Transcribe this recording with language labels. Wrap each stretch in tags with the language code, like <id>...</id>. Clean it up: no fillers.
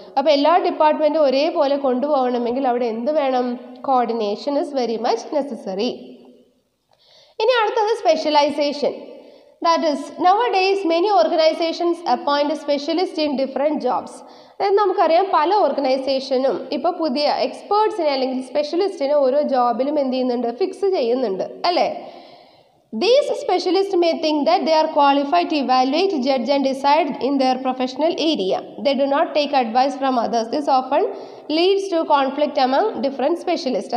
<ml>അപ്പോൾ എല്ലാ ഡിപ്പാർട്ട്മെൻറ്റും ഒരേപോലെ കൊണ്ടുപോകണമെങ്കിൽ അവിടെ എന്ത് വേണം,</ml> <en>Coordination is very much necessary.</en> <ml>ഇനി അടുത്തത് specialisation.</ml> <en>That is, nowadays many organizations appoint a specialist in different jobs.</en> <ml>അതായത് നമുക്കറിയാം പല ഓർഗനൈസേഷനും ഇപ്പോൾ പുതിയ എക്സ്പേർട്സിനെ അല്ലെങ്കിൽ സ്പെഷ്യലിസ്റ്റിനെ ഓരോ ജോബിലും എന്ത് ചെയ്യുന്നുണ്ട്, ഫിക്സ് ചെയ്യുന്നുണ്ട് അല്ലേ.</ml> <en>These specialist may think that they are qualified to evaluate, judge and decide in their professional area. They do not take advice from others. This often leads to conflict among different specialist.</en>